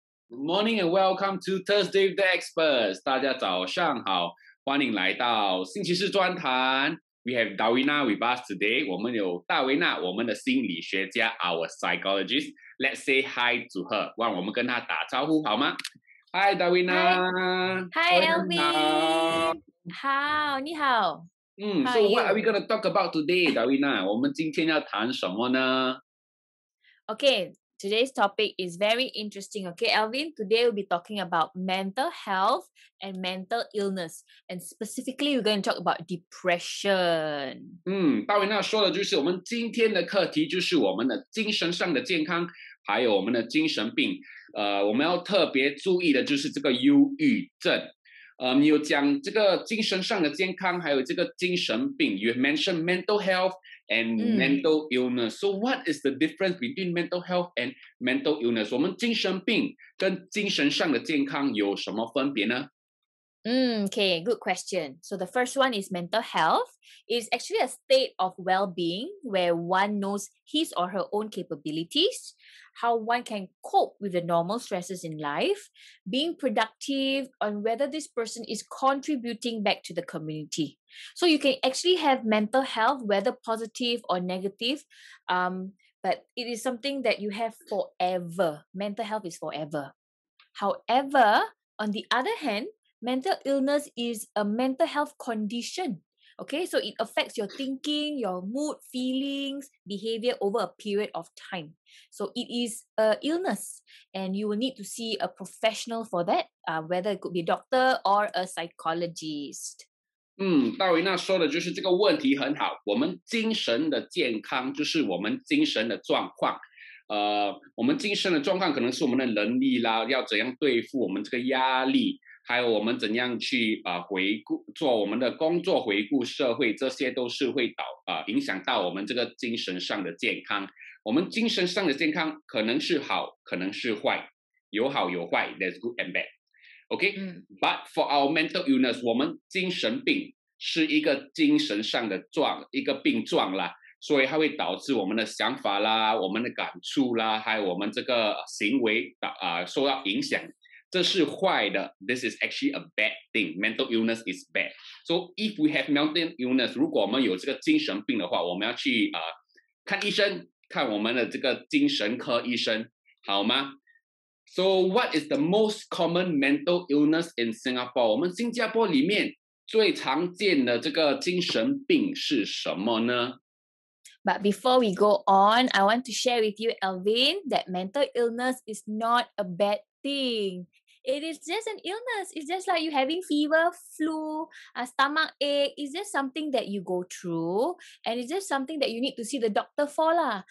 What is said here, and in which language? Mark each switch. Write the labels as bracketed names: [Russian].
[English] Good morning and welcome to Thursday with the experts. [Chinese] 大家早上好，欢迎来到星期四专谈。 [English] We have Davina with us today. [Chinese] 我们有大维娜，我们的心理学家 [English] ，our psychologist. Let's say hi to her. [Chinese] 让我们跟她打招呼好吗 [English] ？Hi, Davina. Hi, Elvin. [Chinese] 好，你好。 [English] So what are we going to talk about today, Davina? [Chinese] 我们今天要谈什么呢 [English] ？Okay. Today's topic is very interesting. Okay, Elvin, today we'll be talking about mental health and mental illness. And specifically, we're going to talk about depression. [Chinese] 大维娜说的就是我们今天的课题就是我们的精神上的健康还有我们的精神病。我们要特别注意的就是这个忧郁症。你有讲这个精神上的健康还有这个精神病。 [English] You mentioned mental health. And mental illness. So what is the difference between mental health and mental illness? [Chinese] 我们精神病跟精神上的健康有什么分别呢？ [English] Okay, good question. So the first one is mental health. It's actually a state of well-being where one knows his or her own capabilities, how one can cope with the normal stresses in life, being productive, and whether this person is contributing back to the community. So you can actually have mental health, whether positive or negative, but it is something that you have forever. Mental health is forever. However, on the other hand,Mental illness is a mental health condition. Okay, so it affects your thinking, your mood, feelings, behavior over a period of time. So it is an illness and you will need to see a professional for that, whether it could be a doctor or a psychologist. [Chinese] 大维娜说的就是这个问题很好。我们精神的健康就是我们精神的状况。我们精神的状况可能是我们的能力啦，要怎样对付我们这个压力。还有我们怎样去回顾做我们的工作回顾社会这些都是会影响到我们这个精神上的健康我们精神上的健康可能是好可能是坏有好有坏 [English] That's good and bad Okay、But for our mental illness [Chinese] 我们精神病是一个精神上的一个病状啦所以它会导致我们的想法啦我们的感触啦还有我们这个行为受到影响这是坏的 [English] This is actually a bad thing. Mental illness is bad. So if we have mental illness, [Chinese] 如果我们有这个精神病的话，我们要去看医生，看我们的这个精神科医生，好吗？ [English] So what is the most common mental illness in Singapore? [Chinese] 我们新加坡里面最常见的这个精神病是什么呢？ [English] But before we go on, I want to share with you, Elvin, that mental illness is not a bad thing. It is just an illness. It's just like you having fever, flu, a stomach ache. It's just something that you go through. And it's just something that you need to see the doctor for. Lah.